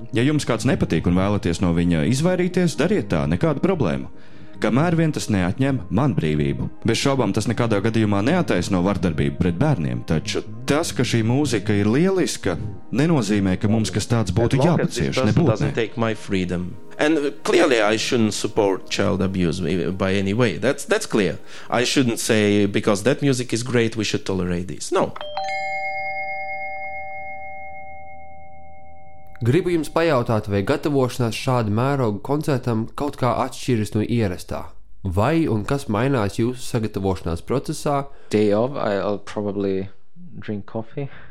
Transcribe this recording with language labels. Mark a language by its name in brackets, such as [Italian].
[Latvian] Ja jums kāds nepatīk un vēlaties no viņa izvairīties, dariet tā, nekādu problēmu. Kamēr vien tas neatņem man brīvību. Bez šaubām tas nekādā gadījumā neataisno vardarbību pret bērniem, taču tas, ka šī mūzika ir lieliska, nenozīmē, ka mums kas tāds būtu jāpacieš, nebūtnē. [English] And clearly I shouldn't support child abuse by any way. That's clear. I shouldn't say because that music is great we should tolerate this. No. [Latvian] Gribu jums pajautāt, vai gatavošanās šāda mēroga koncertam kaut kā atšķiras no ierastā? Vai un kas mainās jūsu sagatavošanās procesā? [English] Day of, I'll probably drink coffee.